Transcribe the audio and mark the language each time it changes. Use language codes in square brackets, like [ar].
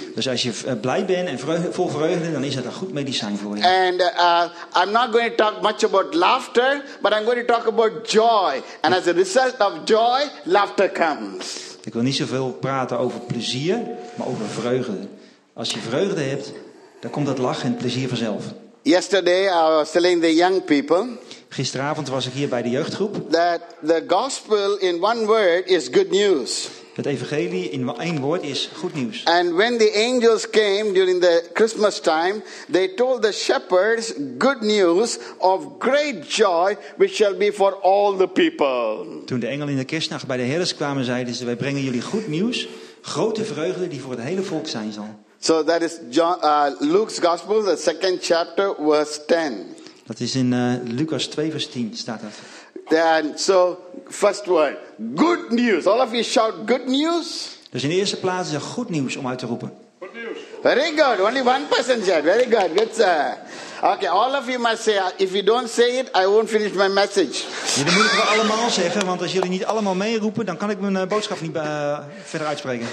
[nl] Dus als je blij bent en vol vreugde, dan is dat een goed medicijn voor je. [en] And I'm not going to talk much about laughter, but I'm going to talk about joy. And as a result of joy, laughter comes. [nl] Ik wil niet zoveel praten over plezier, maar over vreugde. Als je vreugde hebt, dan komt dat lachen en het plezier vanzelf. [en] Yesterday I was telling the young people. [nl] Gisteravond was ik hier bij de jeugdgroep. [en] That the gospel in one word is good news. [nl] Het evangelie in één woord is goed nieuws. [en] And when the angels came during the Christmas time, they told the shepherds good news of great joy which shall be for all the people. [nl] Toen de engelen in de kerstnacht bij de herders kwamen, zeiden ze: wij brengen jullie goed nieuws, grote vreugde die voor het hele volk zijn zal. [en] So that is John, Luke's Gospel, the second chapter, verse 10. [nl] Dat is in Lucas 2, vers 10 staat dat. [en] Then, so, first word, good news. All of you shout good news. [nl] Dus in de eerste plaats is er goed nieuws om uit te roepen. [en] Very good. Only one person said. Very good. Good sir. Okay, all of you must say. If you don't say it, I won't finish my message. [nl] Jullie moeten het allemaal zeggen, want als jullie niet allemaal meeroepen, dan kan ik mijn boodschap niet verder uitspreken.